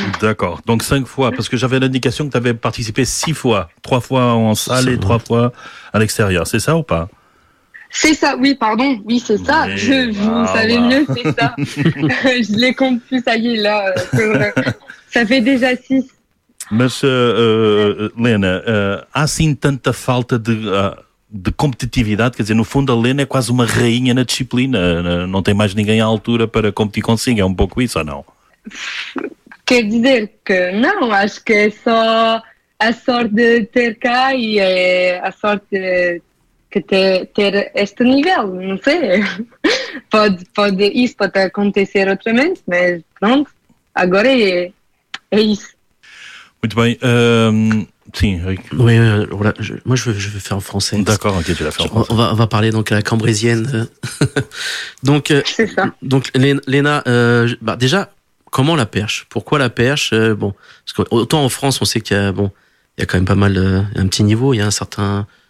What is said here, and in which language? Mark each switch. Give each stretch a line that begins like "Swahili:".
French: D'accord, donc 5 fois, parce que j'avais l'indication que tu avais participé 6 fois, 3 fois en salle et 3 fois à l'extérieur, c'est ça ou pas? C'est ça, oui, pardon, oui, c'est ça, mieux, c'est ça, je les compte plus, ça y est, là, ça fait déjà 6.
Portuguese: Mas, Lena, há assim tanta falta de competitividade? Quer dizer, no fundo a Lena é quase uma rainha na disciplina, não tem mais ninguém à altura para competir consigo, é um pouco isso ou não? Quer dizer que não, acho que é só a sorte de ter cá e é a sorte de ter este nível, não sei, pode acontecer outramente, mas pronto, agora é isso. Muito bem, sim,
French: oui, voilà, moi je vais faire en français. D'accord, ok, tu l'as fait en français. On va parler donc à la cambrésienne. Donc, c'est ça. Donc Lena, déjà, comment la perche? Pourquoi la perche? Bon, parce que, autant en France, on sait qu'il y a, bon, il y a quand même pas mal, un petit niveau, il y a un certain...